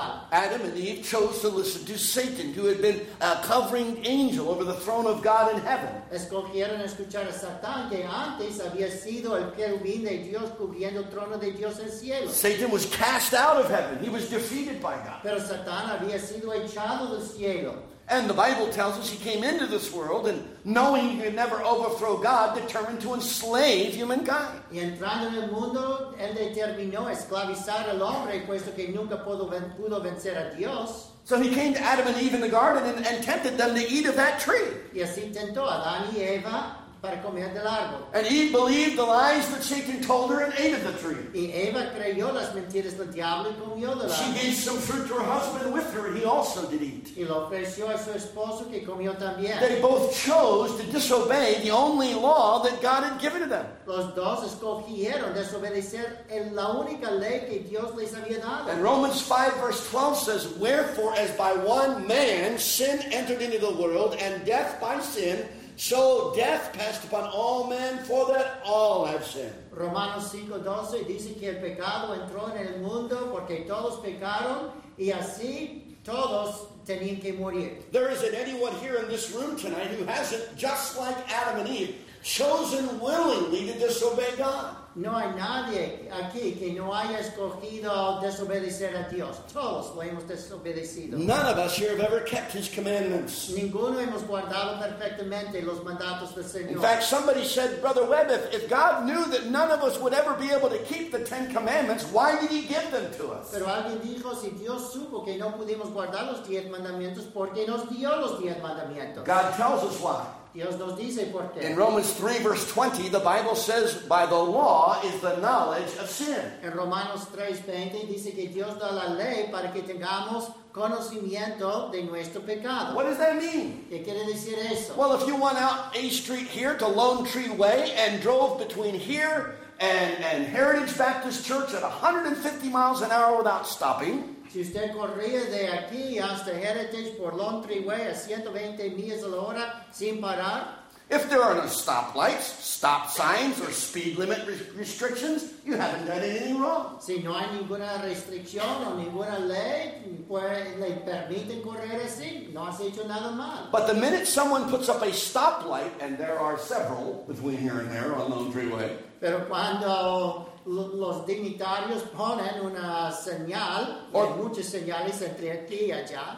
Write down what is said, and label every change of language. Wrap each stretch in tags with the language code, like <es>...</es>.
<en>Adam and Eve chose to listen to Satan, who had been a covering angel over the throne of God in heaven.</en> <es>Escogieron escuchar a Satán, que antes había sido el querubín de Dios cubriendo el trono de Dios en cielo.</es> <en>Satan was cast out of heaven. He was defeated by God.</en> <es>Pero Satán había sido echado del cielo.</es> <en>And the Bible tells us he came into this world and, knowing he could never overthrow God, determined to enslave humankind.</en> <es>Y entrando en el mundo, él determinó esclavizar al hombre, puesto que nunca pudo vencer a Dios.</es> <en>So he came to Adam and Eve in the garden and tempted them to eat of that tree.</en> <es>Y así tentó a Adán y Eva para comer del árbol.</es> <en>And Eve believed the lies that Satan told her and ate of the tree.</en> <es>Y Eva creyó las mentiras del diablo y comió del árbol.</es> <en>She gave some fruit to her husband with her, and he also did eat.</en> <es>Y lo ofreció a su esposo, que comió también.</es> <en>They both chose to disobey the only law that God had given to them.</en> <es>Los dos escogieron desobedecer en la única ley que Dios les había dado.</es> <en>And Romans 5 verse 12 says, wherefore as by one man sin entered into the world, and death by sin, so death passed upon all men, for that all have sinned.</en> <es>Romanos 5:12 dice que el pecado entró en el mundo porque todos pecaron, y así todos tenían que morir.</es> <en>There isn't anyone here in this room tonight who hasn't, just like Adam and Eve, chosen willingly to disobey God.</en> <es>No hay nadie aquí que no haya escogido desobedecer a Dios. Todos lo hemos desobedecido.</es> <en>None of us here have ever kept his commandments.</en> <es>Ninguno hemos guardado perfectamente los mandatos del Señor.</es> <en>In fact, somebody said, Brother Webb, if God knew that none of us would ever be able to keep the Ten Commandments, why did he give them to us?</en> <es>Pero alguien dijo, si Dios supo que no pudimos guardar los diez mandamientos, ¿por qué nos dio los diez mandamientos?</es> <en>God tells us why.</en> <es>Dios nos dice por qué.</es> <en>In Romans 3 verse 20, the Bible says, by the law is the knowledge of sin.</en> <es>En Romanos 3:20 dice que Dios da la ley para que tengamos conocimiento de nuestro pecado.</es> <en>What does that mean?</en> <es>¿Qué quiere decir eso?</es> <en>Well, if you went out A Street here to Lone Tree Way and drove between here and Heritage Baptist Church at 150 miles an hour without stopping.</en> <es>Si usted corría de aquí hasta Heritage por Lone Tree Way a 120 millas a la hora sin parar.</es> <en>If there are no stoplights, stop signs, or speed limit restrictions, you haven't done anything wrong.</en> <es>Si no hay ninguna restricción o ninguna ley que le permite correr así, no has hecho nada mal.</es> <en>But the minute someone puts up a stoplight, and there are several between here and there on Lone Tree Way.</en> <es>Pero cuando los dignitarios ponen una señal, or, y hay muchas señales entre aquí y allá.</es>